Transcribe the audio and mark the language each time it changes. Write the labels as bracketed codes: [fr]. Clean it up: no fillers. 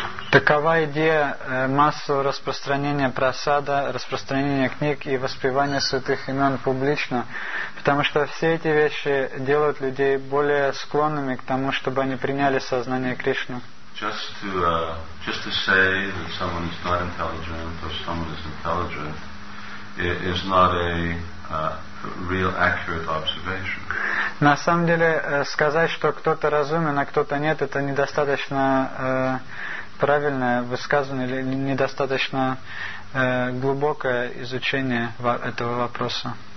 [ru] Такова идея массового распространения просада, распространения книг и воспевания святых имен публично, потому что все эти вещи делают людей более склонными к тому, чтобы они приняли сознание Кришны. [en] Just to say that someone is not intelligent or someone is intelligent is not a real accurate observation. [ru] На самом деле, сказать, что кто-то разумен, а кто-то нет, это недостаточно правильное высказывание или недостаточно глубокое изучение этого вопроса.